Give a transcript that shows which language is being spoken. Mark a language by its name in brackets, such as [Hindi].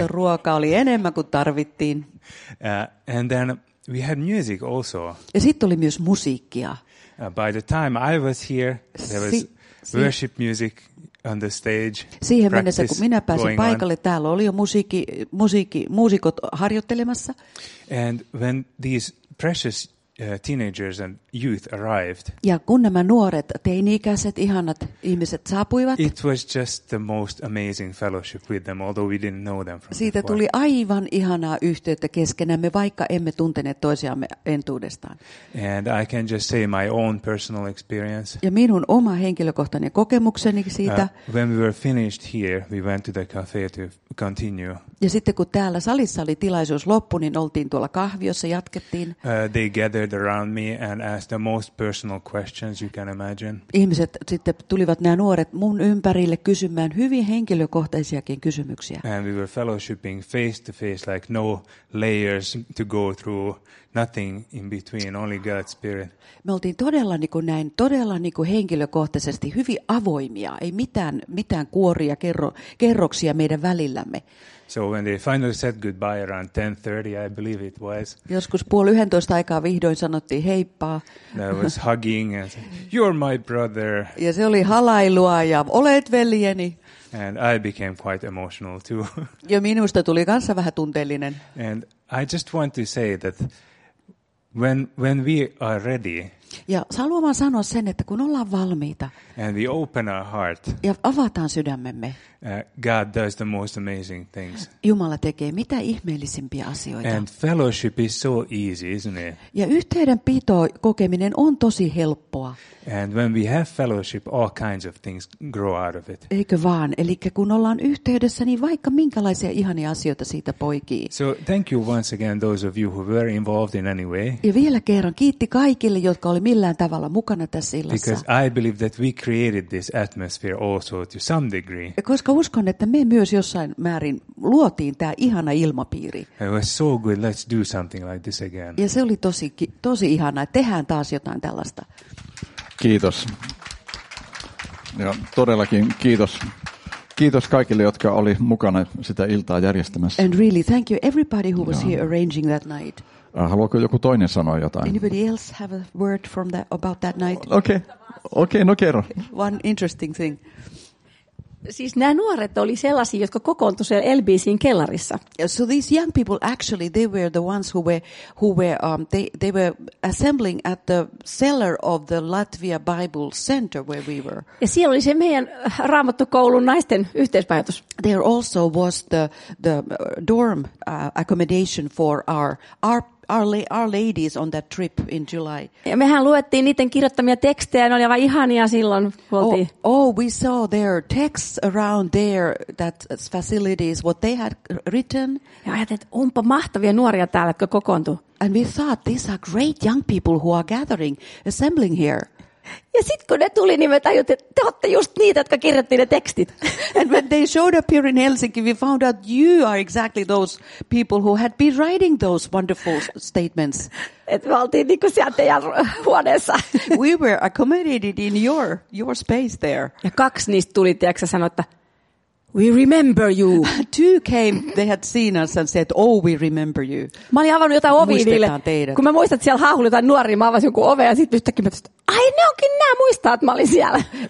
[Finnish] Mutta ruokaa oli enemmän kuin tarvittiin. [English] And then we had music also. [Finnish] Ja sit tuli myös musiikkia. [English] By the time I was here, there was worship music on the stage. [Finnish] Siihen mennessä, kun minä pääsin paikalle, täällä oli jo muusikot harjoittelemassa. [English] And when these precious teenagers and youth arrived. [Finnish] Ja kun nämä nuoret, teini-ikäiset, ihanat ihmiset saapuivat. [English] It was just the most amazing fellowship with them, although we didn't know them from before. [Finnish] Siitä tuli aivan ihanaa yhteyttä keskenämme, vaikka emme tunteneet toisiamme entuudestaan. [English] And I can just say my own personal experience. [Finnish] Ja minun oma henkilökohtainen kokemukseni siitä. [English] When we were finished here, we went to the cafe to continue. [Finnish] Ja sitten kun täällä salissa oli tilaisuus loppu, niin oltiin tuolla kahviossa, jatkettiin. [English] They gathered around me and asked the most personal questions you can imagine. [Finnish] Ihmiset sitten tulivat, nämä nuoret, mun ympärille kysymään hyvin henkilökohtaisiakin kysymyksiä. [English] And we were fellowshipping face to face, like no layers to go through, nothing in between, only God's spirit. [Finnish] Me oltiin todella niin kuin näin, todella niin kuin henkilökohtaisesti hyvin avoimia, ei mitään kuoria, kerroksia meidän välillämme. [English] So when they finally said goodbye around 10:30, I believe it was. [Finnish] Joskus 10:30 aikaa vihdoin sanottiin heippaa. [English] That was hugging and said, "You're my brother." [Finnish] Ja se oli halailua ja olet veljeni. [English] And I became quite emotional too. [Finnish] Ja minusta tuli kanssa vähän tunteellinen. [English] And I just want to say that when we are ready. [Finnish] Ja haluan sanoa sen, että kun ollaan valmiita. [English] And we open our heart. [Finnish] Ja avataan sydämemme. [English] God does the most amazing things. [Finnish] Jumala tekee mitä ihmeellisimpiä asioita. [English] And fellowship is so easy, isn't it? [Finnish] Ja yhteydenpito kokeminen on tosi helppoa. [English] And when we have fellowship, all kinds of things grow out of it. [Finnish] Eikö vaan? Eli kun ollaan yhteydessä, niin vaikka minkälaisia ihania asioita siitä poikii. [English] So thank you once again those of you who were involved in any way. [Finnish] Ja vielä kerran kiitti kaikille, jotka oli millään tavalla mukana tässä illassa. [English] Because I believe that we created this atmosphere also to some degree. [Finnish] Koska uskon, että me myös jossain määrin luotiin tämä ihana ilmapiiri. [English] It was so good, let's do something like this again. [Finnish] Ja se oli tosi ihana, että tehdään taas jotain tällaista. Kiitos. Ja todellakin kiitos. Kiitos kaikille, jotka oli mukana sitä iltaa järjestämässä. [English] And really, thank you everybody who was here arranging that night. [Finnish] Haluatko joku toinen sanoa jotain? [English] Anybody else have a word from that, about that night? [Finnish] Okay, no kerro. [English] One interesting thing. [Finnish] Siis nämä nuoret oli sellaisia, jotka kokoontui siellä LBC:n kellarissa. [English] So these young people actually they were the ones who were assembling at the cellar of the Latvia Bible Center where we were. [Finnish] Ja siellä oli se meidän raamattokoulun naisten yhteispäätös. [English] There also was the dorm accommodation for our ladies on that trip in July. [Finnish] Ja mehän luettiin niiden kirjoittamia tekstejä, ne oli aivan ihania silloin. [English] Oh, we saw their texts around there, that facilities, what they had written. [Finnish] Ja ajattelin, että onpa mahtavia nuoria täällä, jotka kokoontuivat. [English] And we thought, these are great young people who are gathering, assembling here. [Finnish] Ja sitten kun ne tuli, niin me tajuttiin, että te olette just niitä, jotka kirjoitti ne tekstit. [English] And when they showed up here in Helsinki, we found out you are exactly those people who had been writing those wonderful statements. [Finnish] Että me oltiin niin kuin siellä teidän huoneessa. [English] We were accommodated in your space there. [Finnish] Ja kaksi niistä tuli, tiedätkö, sanoi, että [English] we remember you. Two came, they had seen us and said, oh, we remember you. [Finnish] Mä olin avannut jotain ovia niille. Muistetaan teidät. Kun mä muistan, että siellä haahuli jotain nuoria, mä avasin joku ove ja sitten yhtäkkiä mä tulin, ai ne onkin nää, muistaa, että mä olin siellä.